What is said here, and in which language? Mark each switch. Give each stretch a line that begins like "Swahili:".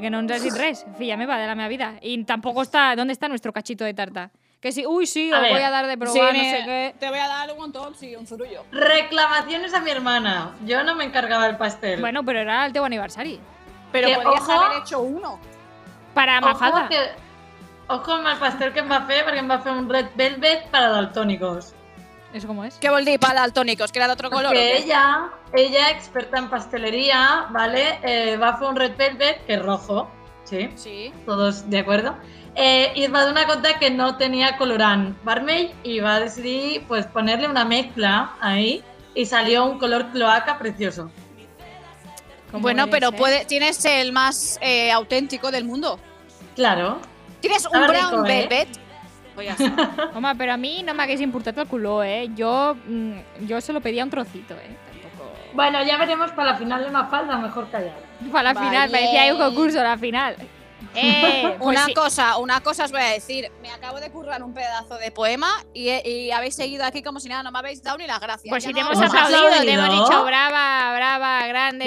Catalan: Que no nos has dit res, filla meva, de la meva vida.
Spanish: Y tampoco está, ¿dónde está nuestro cachito de tarta? Que sí, uy, sí, os voy a dar de probar, sí, no sé qué. Te voy a dar un montón, sí, un zurullo. Reclamaciones a mi hermana. Yo no me encargaba del pastel. Bueno, pero era
Catalan: el teu
Spanish: aniversario. Pero podrías haber hecho uno. Para Mafalda.
Catalan: Ojo amb el pastel que em va fer, perquè em va fer un red velvet
Spanish: para daltónicos. ¿Eso cómo es? ¿Qué
Catalan: vol dir
Spanish: para daltónicos? ¿Que era de otro color? Que ella, experta en pastelería, ¿vale?
Catalan: Va fer un red velvet,
Spanish: que es rojo,
Catalan: ¿sí?
Spanish: Sí. Todos de acuerdo.
Catalan: I es va donar compte que no tenia colorant vermell i va decidir
Spanish: pues, ponerle una mezcla ahí y salió un color cloaca precioso. Bueno, pero tienes el más auténtico del mundo. Claro. ¿Tienes un brown velvet?
Catalan: Home, però a mi no m'hagués importat el color, eh? Jo
Spanish: se lo pedía un trocito, eh? Tampoco... Bueno, ya veremos para la final de Mafalda, mejor callar. Para la final, vale. Parecía un concurso la final. Pues una sí. cosa os voy a decir. Me acabo de currar un pedazo de poema y habéis seguido aquí como si nada, no me habéis dado ni las gracias. Pues ya si te hemos aplaudido, te hemos dicho brava, grande.